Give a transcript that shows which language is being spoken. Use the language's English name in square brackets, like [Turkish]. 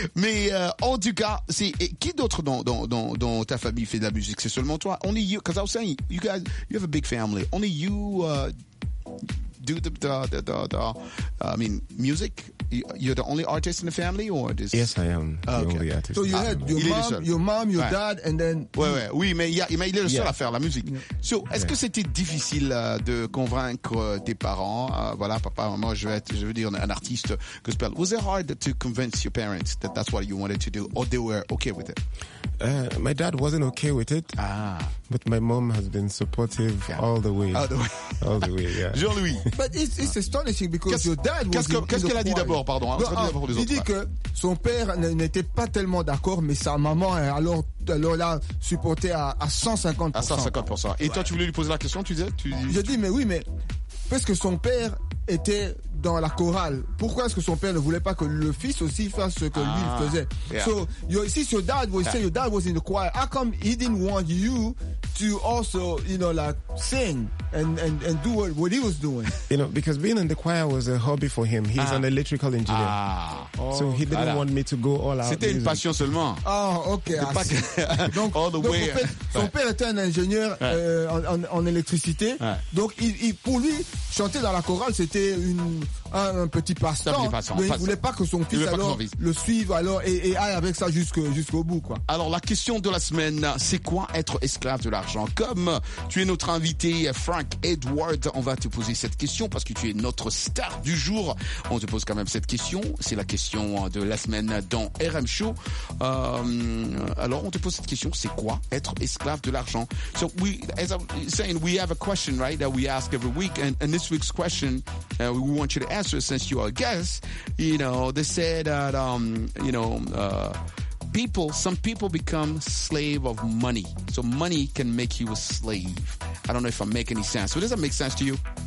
[French] Mais en tout cas, c'est qui d'autre dans ta famille fait de la musique? C'est seulement toi? [English] Only you? Because I was saying, you guys, you have a big family. Only you. Do I mean, music? You're the only artist in the family, or this? Yes, I am. Okay. The only artist. So you had your mom, your ouais. dad, and then. [French] Mais il est le seul à faire la musique. Yeah. So, est-ce que c'était difficile de convaincre tes parents? Voilà, papa, maman, je veux dire un artiste gospel. [English] Was it hard to convince your parents that that's what you wanted to do, or they were okay with it? My dad wasn't okay with it. Ah. But my mom has been supportive all the way. All the way. All the way, yeah. [French] Jean-Louis. [English] But it's astonishing because your dad was... [French] Qu'est-ce qu'elle a dit d'abord, pardon? Il dit que son père n'était pas tellement d'accord, mais sa maman, alors là, supportait à 150%. À 150%. Et toi, tu voulais lui poser la question, tu disais? Je dis, mais oui, mais... Parce que son père... était dans la chorale. Pourquoi est-ce que son père ne voulait pas que le fils aussi fasse ce que lui faisait? [English] So, you see, your dad was saying your dad was in the choir. How come he didn't want you to also, you know, like sing and do what he was doing? You know, because being in the choir was a hobby for him. He's an electrical engineer. Ah. So he didn't want me to go all out. [French] C'était une passion seulement. [English] Ah, oh, okay. [French] Ah, pas que... donc, [English] all the [French] donc, [English] way. [French] En fait, son père était un ingénieur en électricité. Ouais. Donc, il, pour lui, chanter dans la chorale, c'était une un petit passe-temps, un petit passant, mais il voulait pas que son fils alors le suive alors et aille avec ça jusqu'au bout quoi. Alors la question de la semaine, c'est quoi être esclave de l'argent? Comme tu es notre invité Frank Edward, on va te poser cette question parce que tu es notre star du jour. On te pose quand même cette question, c'est la question de la semaine dans RM Show. Alors on te pose cette question, c'est quoi être esclave de l'argent? [English] So we, as I'm saying, we have a question, right, that we ask every week, and this week's question, we want you to answer, since you are a guest, you know, they say that you know, people, some people become slave of money. So money can make you a slave. I don't know if I make any sense. So does that make sense to you?